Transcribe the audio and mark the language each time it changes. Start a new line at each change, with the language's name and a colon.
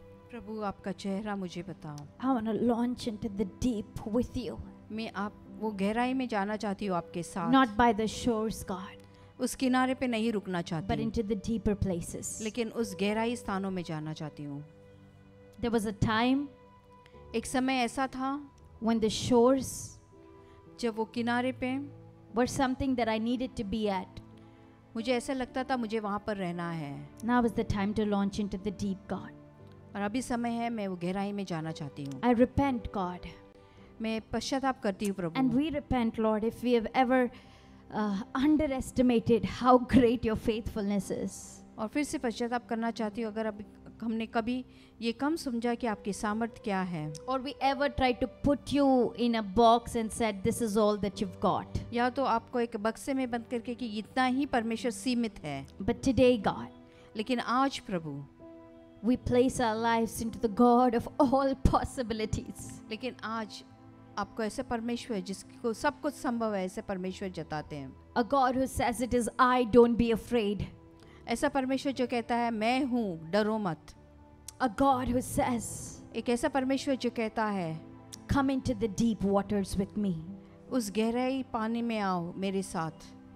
Hindi: प्रभु आपका चेहरा मुझे बताओ।
English: I wanna launch into the deep with you।
Hindi: मैं आप वो गहराई में जाना चाहती हूँ आपके साथ।
English: Not by the shores, God।
Hindi: उस किनारे पे नहीं रुकना चाहती।
English: But into the deeper places।
Hindi: लेकिन उस गहराई स्थानों में जाना चाहती हूँ।
English: There was a time।
Hindi: एक समय ऐसा था।
English: When the shores।
Hindi: जब वो किनारे पे।
English: Were something that I needed to be at।
Hindi: मुझे ऐसा लगता था मुझे वहाँ पर रहना है।
English: Now is the time to launch into the deep, God।
Hindi: और अभी समय है मैं वो गहराई में जाना चाहती हूँ।
English: I repent, God।
Hindi: मैं पश्चाताप करती हूँ प्रभु।
English: And we repent, Lord, if we have ever underestimated how great your faithfulness is।
Hindi: और फिर से पश्चाताप करना चाहती हूँ अगर अभी हमने कभी ये कम समझा कि आपकी सामर्थ क्या है।
English: Or we ever tried to put you in a box and said this is all that you've got।
Hindi: या तो आपको एक बक्से में बंद करके कि इतना ही परमेश्वर सीमित है।
English: But today, God।
Hindi: लेकिन आज प्रभु।
English: We place our lives into the God of all possibilities.
Hindi: लेकिन आज आपको ऐसे परमेश्वर जिसको सब कुछ संभव है ऐसे परमेश्वर जताते हैं।
English: A God who says it is I, don't be afraid.
Hindi: ऐसा परमेश्वर जो कहता है मैं हूँ डरो मत।
English: A God who says.
Hindi: एक ऐसा परमेश्वर जो कहता है.
English: Come into the deep waters with me.
Hindi: उस गहराई पानी में आओ मेरे साथ।